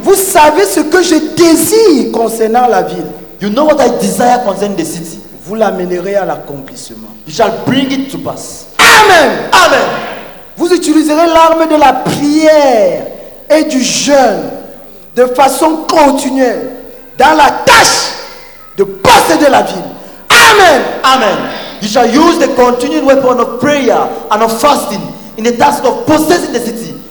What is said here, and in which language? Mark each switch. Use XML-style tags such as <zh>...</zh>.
<fr>Vous savez ce que je désire concernant la ville.</fr> <en>You know what I desire concerning the city.</en> <fr>Vous l'amènerez à l'accomplissement.</fr> <en>You shall bring it to pass. Amen. Amen.</en> <fr>Vous utiliserez l'arme de la prière et du jeûne de façon continuelle dans la tâche de posséder la ville. Amen. Amen.</fr> <en>You shall use the continued weapon of prayer and of fasting in the task of possessing the city.</en>